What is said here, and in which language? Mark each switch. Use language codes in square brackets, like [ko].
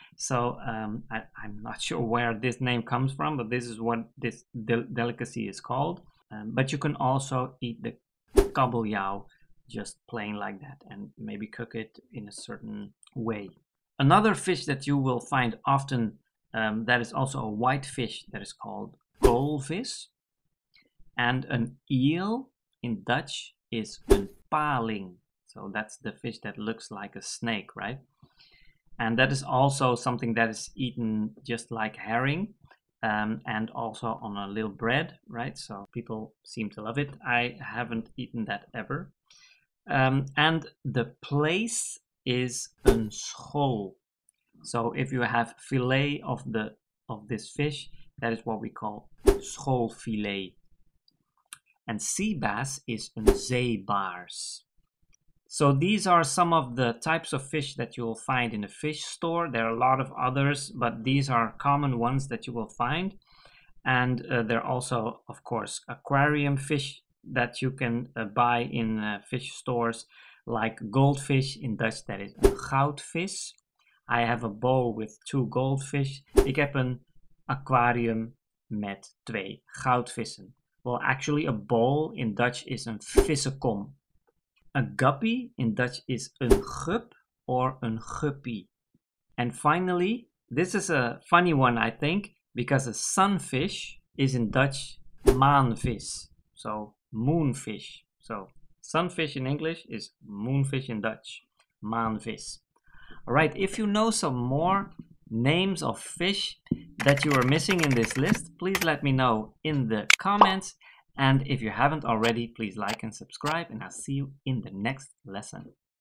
[en] So I'm not sure where this name comes from, but this is what this delicacy is called. But you can also eat the kabeljauw just plain like that, and maybe cook it in a certain way. Another fish that you will find often, that is also a white fish, that is called koolvis. And an eel in Dutch is een paling. So that's the fish that looks like a snake, right? And that is also something that is eaten just like herring, and also on a little bread, right? So people seem to love it. I haven't eaten that ever. And the place is een schol. So if you have fillet of this fish, that is what we call schoolfilet. And sea bass is een zeebaars. So these are some of the types of fish that you will find in a fish store. There are a lot of others, but these are common ones that you will find. And there are also, of course, aquarium fish that you can buy in fish stores, like goldfish. In Dutch, that is goudvis. I have a bowl with two goldfish. [nl] Ik heb een aquarium met twee goudvissen. [en] Well, actually, a bowl in Dutch is een vissenkom. A guppy in Dutch is een gup or een guppy. And finally, this is a funny one, I think, because a sunfish is in Dutch maanvis, so moonfish. So sunfish in English is moonfish in Dutch, maanvis. All right, if you know some more names of fish that you are missing in this list, please let me know in the comments. And if you haven't already, please like and subscribe, and I'll see you in the next lesson.